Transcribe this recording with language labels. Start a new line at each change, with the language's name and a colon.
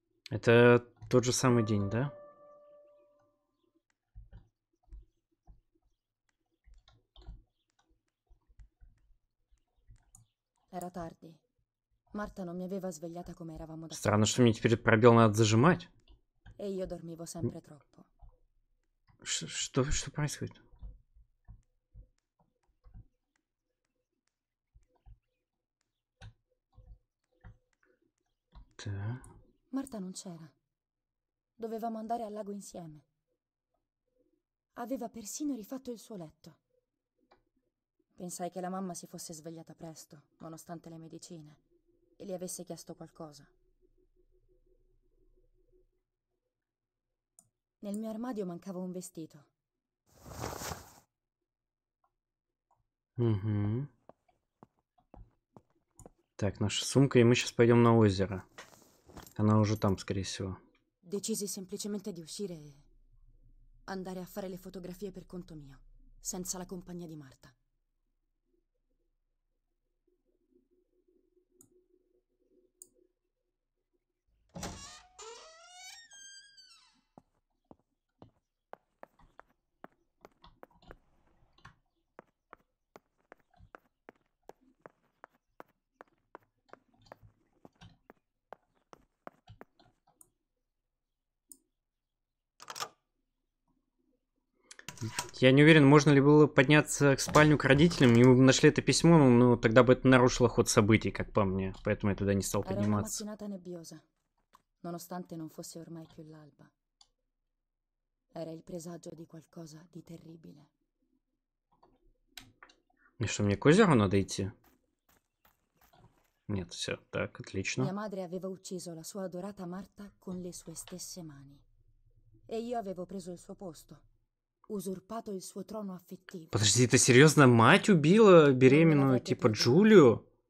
Russian: Это тот же самый день, да?
Italian: Era tardi. Marta non mi aveva svegliata come eravamo da.
Russian: Странно, что мне теперь пробел надо зажимать.
Italian: E io dormivo sempre troppo.
Russian: Что происходит?
Italian: Marta non c'era. Dovevamo andare al lago insieme. Aveva persino rifatto il suo letto. Pensai che la mamma si fosse svegliata presto, nonostante le medicine, e le avesse chiesto qualcosa. Nel mio armadio mancava un vestito.
Russian: Так, наша сумка, и мы сейчас пойдем на озеро. Она уже там, скорее всего.
Italian: Decisi semplicemente di uscire e andare a fare le fotografie per conto mio, senza la compagnia di Marta.
Russian: Я не уверен, можно ли было подняться к спальню к родителям, и мы бы нашли это письмо, но тогда бы это нарушило ход событий, как по мне, поэтому я туда не стал подниматься.
Italian: Nonostante non fosse ormai più l'alba. Era il presagio di qualcosa di terribile.
Russian: И что, мне к озеру надо идти? Нет, все, так, отлично.
Italian: Mia madre aveva ucciso la sua adorata Marta con le sue stesse mani. E io avevo preso il suo posto. Узурпато il suo trono affettivo.
Russian: Подожди, ты серьезно? Мать убила беременную, типа, Джулию?